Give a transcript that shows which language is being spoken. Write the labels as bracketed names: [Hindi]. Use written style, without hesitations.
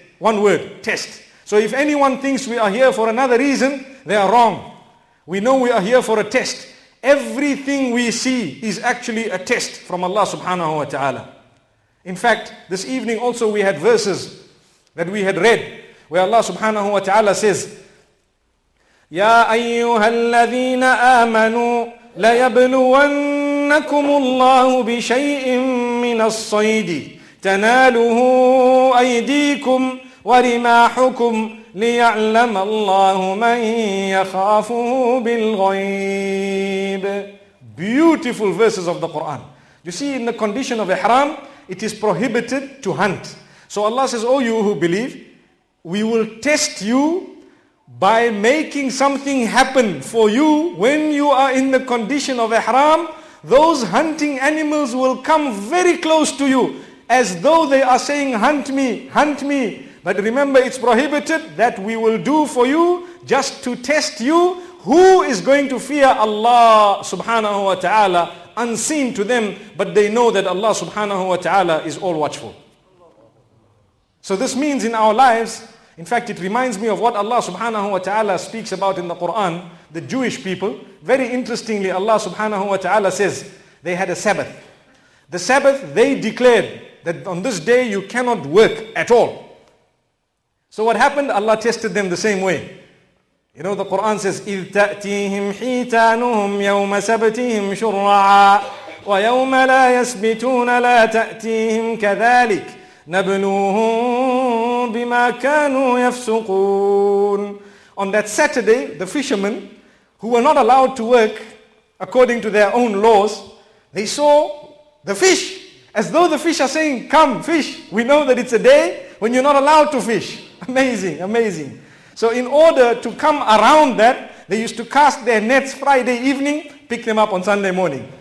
[English] One word, test. So if anyone thinks we are here for another reason, they are wrong. We know we are here for a test. Everything we see is actually a test from Allah subhanahu wa ta'ala. In fact, this evening also we had verses that we had read where Allah subhanahu wa ta'ala says, [Arabic] يَا أَيُّهَا الَّذِينَ آمَنُوا لَيَبْلُوَنَّ إنكم الله بشيء من الصيد تناله أيديكم ورماحكم ليعلم الله من يخافه بالغيب. [English] Beautiful verses of the Quran. You see, in the condition of ihram, it is prohibited to hunt. So Allah says, oh, you who believe, we will test you by making something happen for you when you are in the condition of ihram. Those hunting animals will come very close to you as though they are saying, hunt me. But remember, it's prohibited. That we will do for you just to test you. Who is going to fear Allah subhanahu wa ta'ala unseen to them, but they know that Allah subhanahu wa ta'ala is all watchful. So this means in our lives, in fact, it reminds me of what Allah subhanahu wa ta'ala speaks about in the Quran. The Jewish people, very interestingly, Allah subhanahu wa ta'ala says they had a Sabbath. The Sabbath, they declared that on this day you cannot work at all. So what happened? Allah tested them the same way. You know, the Quran says, [Arabic] إِذْ تَأْتِيهِمْ حِيتَانُهُمْ يَوْمَ سَبْتِهِمْ شُرَّعَا وَيَوْمَ لَا يَسْبِتُونَ لَا تَأْتِيهِمْ كَذَلِكَ نَبْلُوهُمْ بِمَا كَانُوا يَفْسُقُونَ. [English] On that Saturday, the fishermen, who were not allowed to work according to their own laws, they saw the fish, as though the fish are saying, come, fish. We know that it's a day when you're not allowed to fish. Amazing, amazing. So in order to come around that, they used to cast their nets Friday evening, pick them up on Sunday morning.